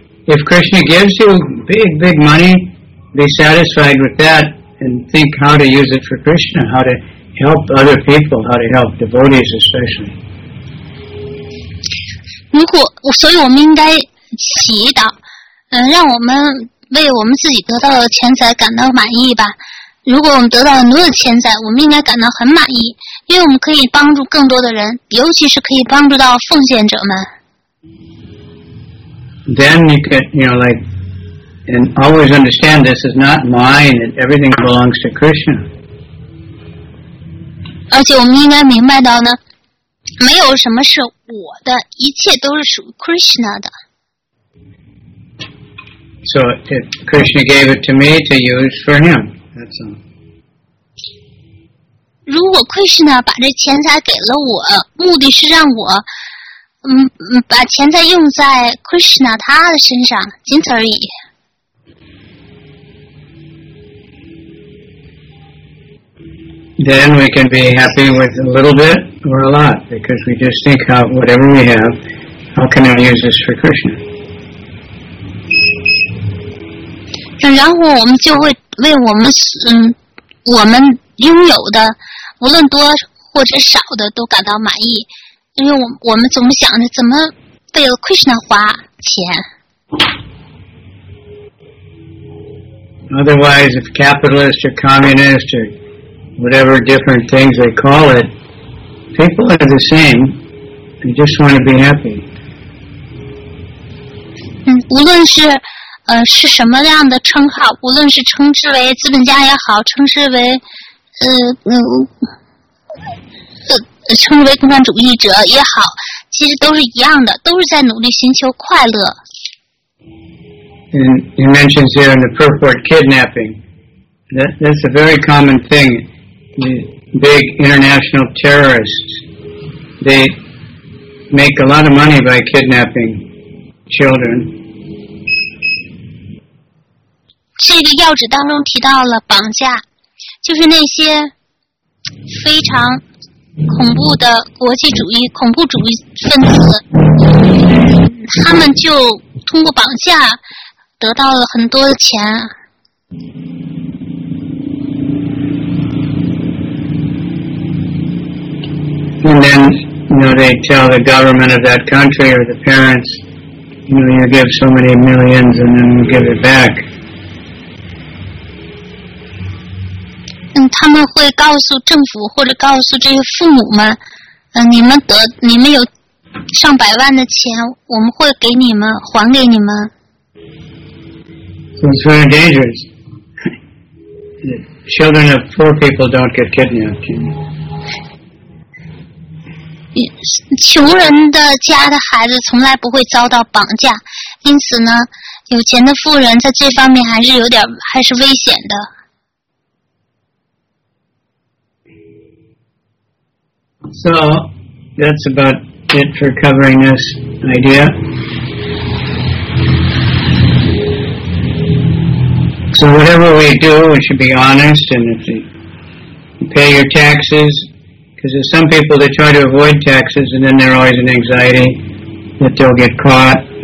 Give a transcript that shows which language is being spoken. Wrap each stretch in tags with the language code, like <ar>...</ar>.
<en>If Krishna gives you big, big money, be satisfied with that and think how to use it for Krishna, how to help other people, how to help devotees especially.</en> <zh>如果，所以我们应该祈祷，让我们为我们自己得到的钱财感到满意吧。如果我们得到很多的钱财，我们应该感到很满意，因为我们可以帮助更多的人，尤其是可以帮助到奉献者们。</zh> <en>Then you can, you know, like, and always understand this is not mine, and everything belongs to Krishna.</en> <zh>而且我们应该明白到呢，没有什么是我的，一切都是属于 Krishna 的。</zh> <en>So if Krishna gave it to me to use for him.</en> <zh>如果 Krishna 把这钱财给了我，目的是让我，把钱财用在 Krishna 他的身上，仅此而已。</zh> <en>Then we can be happy with a little bit or a lot, because we just think how whatever we have, how can I use this for Krishna?</en> <zh>然后我们就会为我们我们拥有的无论多或者少的都感到满意，因为我们总想着怎么为了 Krishna 花钱。</zh> <en>Otherwise, if capitalist or communist or whatever different things they call it, people are the same. They just want to be happy.</en> <zh>无论是是什么样的称号，无论是称之为资本家也好，称之为称之为共产主义者也好，其实都是一样的，都是在努力寻求快乐。</zh> <en>And he mentions here in the purport kidnapping. That's a very common thing. big international terrorists. They make a lot of money by kidnapping children.</en> <zh>这个要旨当中提到了绑架，就是那些非常恐怖的国际主义恐怖主义分子，他们就通过绑架得到了很多的钱。</zh> <en>And then, you know, they tell the government of that country or the parents, you know, you give so many millions and then you give it back.</en> <zh>他们会告诉政府或者告诉这些父母们，你们有上百万的钱，我们会给你们，还给你们。</zh> <en>So it's very dangerous. Children of poor people don't get kidnapped.</en> <zh>穷人的家的孩子从来不会遭到绑架，因此呢，有钱的富人在这方面还是危险的。</zh> <en>So, that's about it for covering this idea. 。So whatever we do, we should be honest, and if you pay your taxes, because there's some people that try to avoid taxes, and then they're always in anxiety that they'll get caught.</en>